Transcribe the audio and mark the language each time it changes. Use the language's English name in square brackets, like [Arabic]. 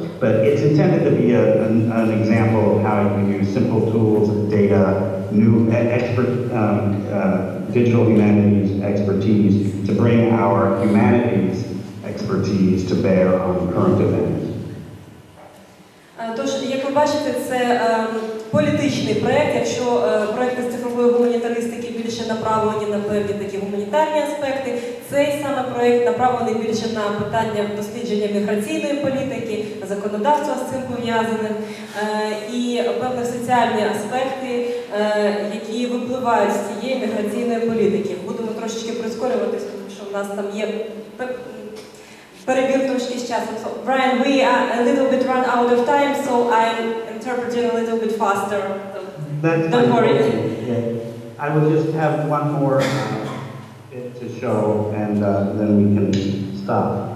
[English] But it's intended to be an example of how you can use simple tools, data, new expert digital humanities expertise to bring our humanities expertise to bear on current events. [Ukrainian] Тож, як ви бачите, це політичний проєкт. Якщо проєкти з цифрової гуманітаристики більше направлені на певні такі гуманітарні аспекти, цей саме проєкт направлений більше на питання дослідження міграційної політики, законодавства з цим пов'язаним, і певні соціальні аспекти, які випливають з цієї міграційної політики. Будемо трошечки прискорюватись, тому що в нас там є перебір трошки з часом. [English] So, Brian, we are a little bit run out of time, so I'm interpreting a little bit faster. Don't worry. I will just have one more bit to show, and then we can stop.